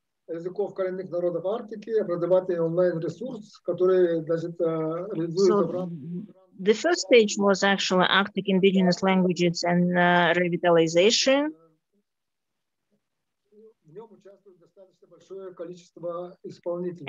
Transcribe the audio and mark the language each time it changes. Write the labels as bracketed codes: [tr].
[ru] Языков коренных народов Арктики, образовательный онлайн-ресурс, который даже реализуется в рамках... [en] The first stage was actually Arctic Indigenous Languages and Revitalization. [ru] В нем участвует достаточно большое количество исполнителей.